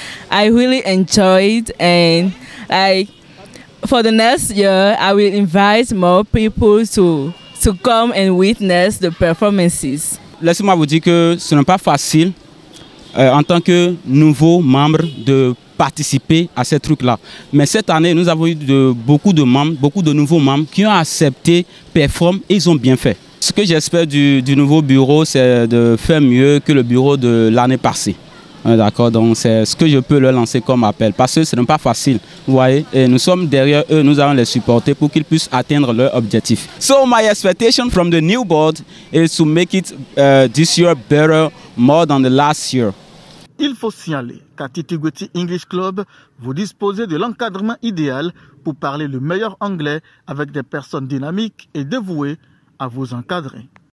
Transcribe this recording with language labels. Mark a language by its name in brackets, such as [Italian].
[English] I really enjoyed and like for the next year, I will invite more people to come and witness the performances. [French] Laissez-moi vous dire que ce n'est pas facile en tant que nouveau membre de participer à ces trucs-là. Mais cette année, nous avons eu beaucoup de membres, beaucoup de nouveaux membres qui ont accepté, performent et ils ont bien fait. Ce que j'espère du nouveau bureau, c'est de faire mieux que le bureau de l'année passée. D'accord, donc c'est ce que je peux leur lancer comme appel parce que ce n'est pas facile, vous voyez. Et nous sommes derrière eux, nous allons les supporter pour qu'ils puissent atteindre leur objectif. [English] So my expectation from the new board is to make it this year better, more than the last year. [French] Il faut signaler qu'à Titigwiti English Club, vous disposez de l'encadrement idéal pour parler le meilleur anglais avec des personnes dynamiques et dévouées à vous encadrer.